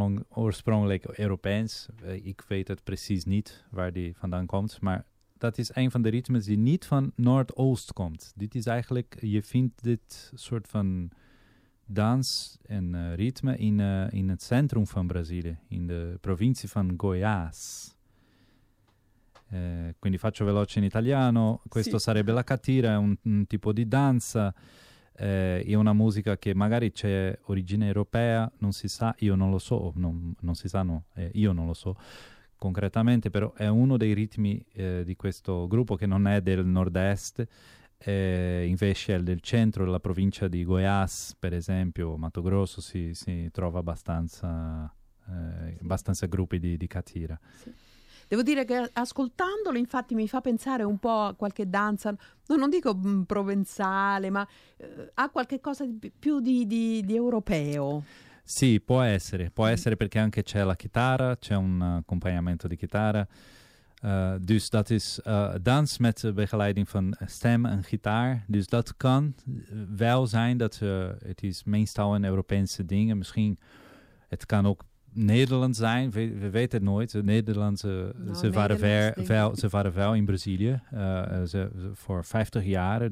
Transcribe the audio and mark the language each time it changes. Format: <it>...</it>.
<nl>Oorspronkelijk Europees. Ik weet het precies niet waar die vandaan komt. Maar dat is een van de ritmes die niet van Noordoost komt. Dit is eigenlijk, je vindt dit soort van dans en ritme in het centrum van Brazilië. In de provincie van Goiás.</nl> <it>Quindi faccio veloce in italiano. Questo sì. Sarebbe la catira, un tipo di danza. È una musica che magari c'è origine europea, non si sa, io non lo so, non si sa, no, io non lo so concretamente, però è uno dei ritmi di questo gruppo che non è del nord-est, Invece nel centro della provincia di Goiás, per esempio, Mato Grosso, si trova abbastanza, sì, abbastanza gruppi di catira. Sì. Devo dire che ascoltandolo, infatti, mi fa pensare un po' a qualche danza, non dico provenzale, ma ha qualche cosa di più di europeo. Sì, può essere perché anche c'è la chitarra, c'è un accompagnamento di chitarra.</it> <nl>Dus dat is dans met begeleiding van stem en gitaar. Dus dat kan wel zijn dat het is meestal een Europese ding. Misschien het kan ook Nederlands zijn. We weten het nooit. Nederlandse, nou, ze waren wel in Brazilië voor 50 jaar.</nl>